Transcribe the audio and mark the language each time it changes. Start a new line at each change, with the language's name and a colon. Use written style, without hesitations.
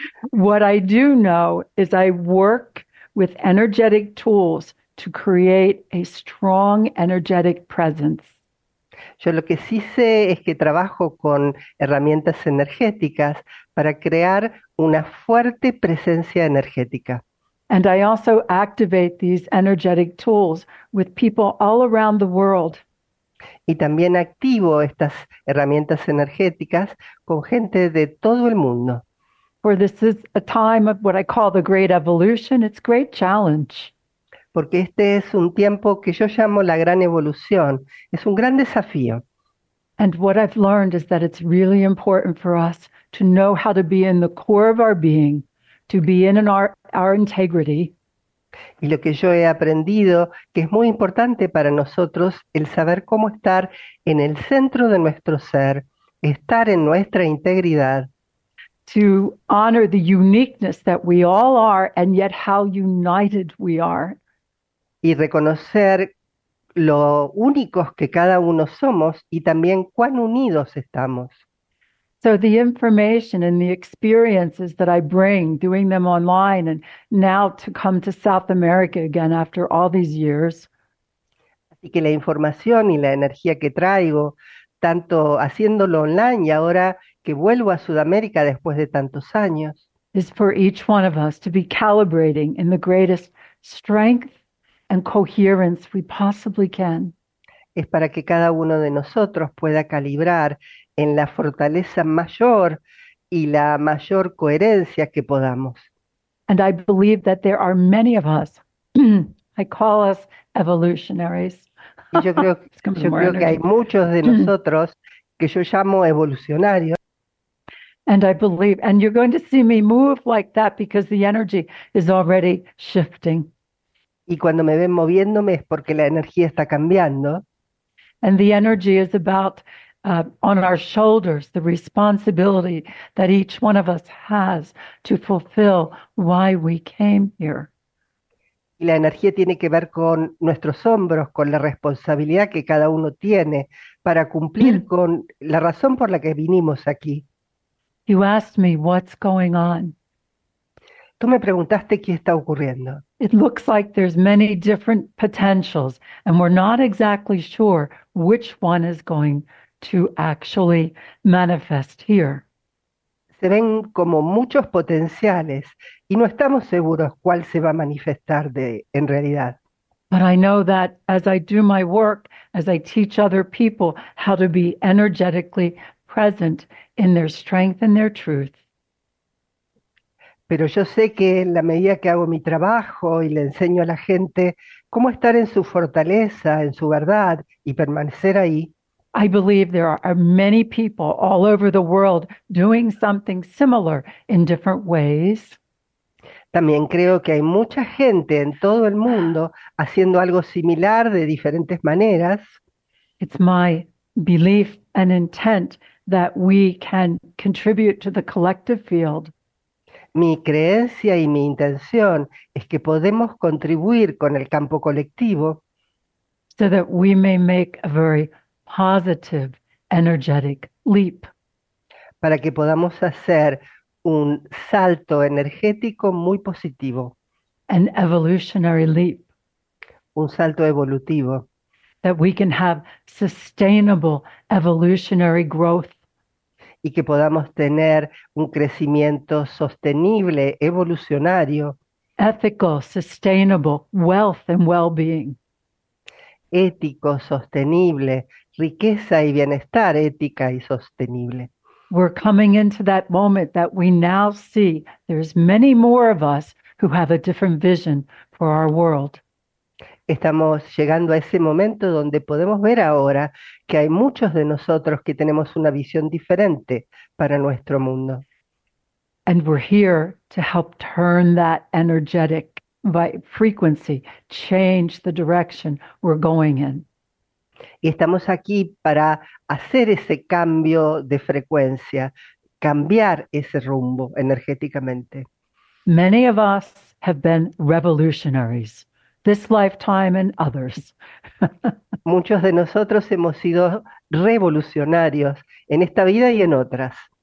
English: What I do know is I work with energetic tools to create a strong energetic presence.
Spanish: Yo lo que sí sé es que trabajo con herramientas energéticas para crear una fuerte presencia energética.
English: And I also activate these energetic tools with people all around the world.
Spanish: Y también activo estas herramientas energéticas con gente de todo el mundo.
English: For this is a time of what I call the great evolution. It's a great challenge.
Spanish: Porque este es un tiempo que yo llamo la gran evolución. Es un gran desafío.
English: And what I've learned is that it's really important for us to know how to be in the core of our being, to be in our integrity.
Spanish: Y lo que yo he aprendido, que es muy importante para nosotros, el saber cómo estar en el centro de nuestro ser, estar en nuestra integridad.
English: To honor the uniqueness that we all are and yet how united we are.
Spanish: Y reconocer lo únicos que cada uno somos y también cuán unidos estamos.
English: So the information and the experiences that I bring, doing them online and now to come to South America again after all these years.
Spanish: Así que la información y la energía que traigo, tanto haciéndolo online y ahora que vuelvo a Sudamérica después de tantos años,
English: is for each one of us to be calibrating in the greatest strength and coherence we possibly can.
Spanish: Es para que cada uno de nosotros pueda calibrar en la fortaleza mayor y la mayor coherencia que podamos.
English: And I believe that there are many of us, I call us evolutionaries.
Spanish: Y yo creo que hay muchos de nosotros que yo llamo evolucionarios.
English: And I believe, and you're going to see me move like that because the energy is already shifting.
Spanish: Y cuando me ven moviéndome es porque la energía está cambiando.
English: And the energy is about on our shoulders, the responsibility that each one of us has to fulfill why we came here.
Spanish: Y la energía tiene que ver con nuestros hombros, con la responsabilidad que cada uno tiene para cumplir con la razón por la que vinimos aquí.
English: You asked me what's going on.
Spanish: Tú me preguntaste qué está ocurriendo.
English: It looks like there's many different potentials, and we're not exactly sure which one is going to actually manifest here.
Spanish: Se ven como muchos potenciales y no estamos seguros cuál se va a manifestar en realidad.
English: But I know that as I do my work, as I teach other people how to be energetically present in their strength and their truth.
Spanish: Pero yo sé que en la medida que hago mi trabajo y le enseño a la gente cómo estar en su fortaleza, en su verdad y permanecer ahí.
English: I believe there are many people all over the world doing something similar in different ways.
Spanish: También creo que hay mucha gente en todo el mundo haciendo algo similar de diferentes maneras.
English: It's my belief and intent that we can contribute to the collective field.
Spanish: Mi creencia y mi intención es que podemos contribuir con el campo colectivo.
English: So that we may make a very positive, energetic leap.
Spanish: Para que podamos hacer un salto energético muy positivo.
English: An evolutionary leap.
Spanish: Un salto evolutivo.
English: That we can have sustainable evolutionary growth.
Spanish: Y que podamos tener un crecimiento sostenible, evolucionario.
English: Ethical, sustainable, wealth and well-being.
Spanish: Ético, sostenible, riqueza y bienestar, ética y sostenible.
English: We're coming into that moment that we now see there's many more of us who have a different vision for our world.
Spanish: Estamos llegando a ese momento donde podemos ver ahora que hay muchos de nosotros que tenemos una visión diferente para nuestro mundo.
English: And we're here to help turn that energetic frequency, change the direction we're going in.
Spanish: Y estamos aquí para hacer ese cambio de frecuencia, cambiar ese rumbo energéticamente.
English: Many of us have been revolutionaries. This lifetime and others.
Spanish: Muchos de nosotros hemos sido revolucionarios en esta vida y en otras.